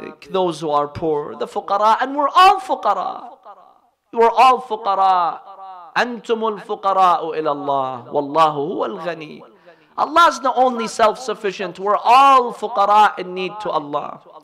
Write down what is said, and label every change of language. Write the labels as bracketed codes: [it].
[en] Those who are poor, the فقراء, and we're all فقراء. We're all فقراء. [ar] أنتم الفقراء إلى الله والله هو الغني. [en] Allah is the only self-sufficient. We're all فقراء in need to Allah.